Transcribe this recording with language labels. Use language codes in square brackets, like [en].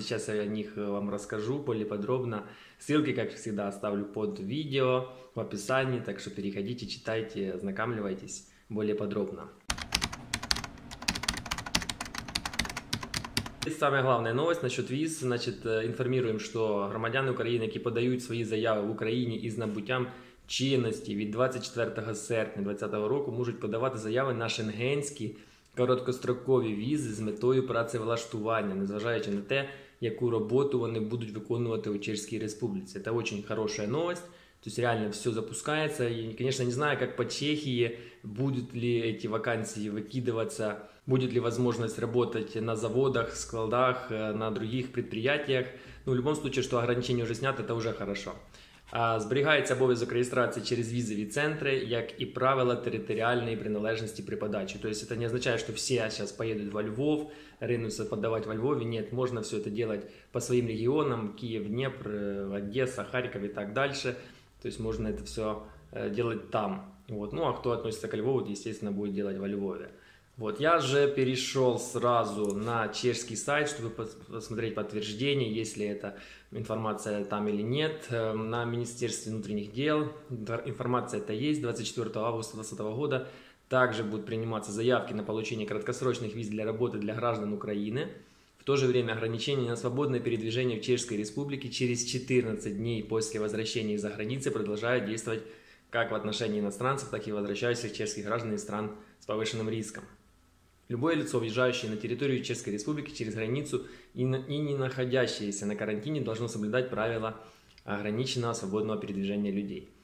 [ru] Сейчас я о них вам расскажу более подробно. Ссылки, как всегда, оставлю под видео в описании, так что переходите, читайте, ознакомьтесь более подробно. И самая главная новость насчет виз. [uk] Значит, информируем, что громадяни України, які подають свої заяви в Україні із набуттям чинності від 24 серпня 2020 року, можуть подавати заяви на шенгенські короткострокові візи з метою працевлаштування, незважаючи на те, яку роботу вони будуть виконувати у Чеській Республіці. Це дуже хороша новость. [ru] То есть реально все запускается. И, конечно, не знаю, как по Чехии, будут ли эти вакансии выкидываться, будет ли возможность работать на заводах, складах, на других предприятиях. Ну, в любом случае, что ограничения уже сняты, это уже хорошо. [uk] А зберігається обов'язок реєстрації через візові центри, як і правила територіальної приналежності при подачі. Тобто це не означає, що всі зараз поїдуть [ru] во Львов, [uk] ринуться подавати во Львові. Ні, можна все це робити по своїм регіонам: Київ, Дніпр, Одеса, Харків і так далі. Тобто можна це все робити там. От. Ну а хто відноситься до Львову, звісно, буде робити во Львові. От. Я вже перейшов одразу на чеський сайт, щоб подивитися підтвердження, якщо це інформація там чи ні. На Міністерстві внутрішніх справ інформація та є, 24 августа 2020 року. Також будуть прийматися заявки на отримання короткосрочних віз для роботи для громадян України. [ru] В то же время ограничения на свободное передвижение в Чешской Республике через 14 дней после возвращения из-за границы продолжают действовать как в отношении иностранцев, так и возвращающихся чешских граждан из стран с повышенным риском. Любое лицо, въезжающее на территорию Чешской Республики через границу и не находящееся на карантине, должно соблюдать правила ограниченного свободного передвижения людей.